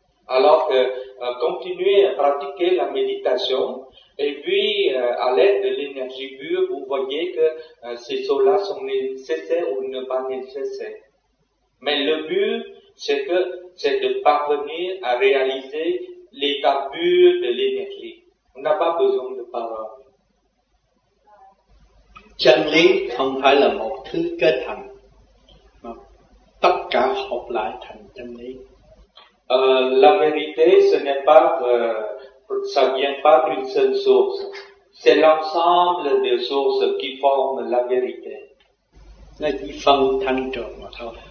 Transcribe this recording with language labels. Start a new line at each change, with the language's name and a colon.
French: Alors que continuez à pratiquer la méditation et puis à l'aide de l'énergie pure, vous voyez que ces choses-là sont nécessaires ou ne pas nécessaires. Mais le but, c'est de parvenir à réaliser l'état pur de l'énergie. On n'a pas besoin de paroles.
Vietnamese: Chân lý không phải là một thứ kết thành, mà tất cả hợp lại thành chân lý.
French: La vérité, ce n'est pas, ça vient pas d'une seule source. C'est l'ensemble des sources qui forment la vérité.
Vietnamese: Nó chỉ phân thành trường mà thôi.